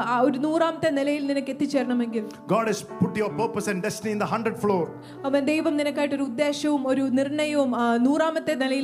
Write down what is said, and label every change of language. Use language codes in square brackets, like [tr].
[ml] ആ ഒരു 100-ാമത്തെ നിലയിൽ നിനക്ക് എത്തിച്ചേരണമെങ്കിൽ [en] God has put your purpose and destiny in the 100th floor. [ml] ആമേൻ. ദൈവം നിനക്കായിട്ട് ഒരു ഉദ്ദേശവും ഒരു നിർണയ നൂറാമത്തെ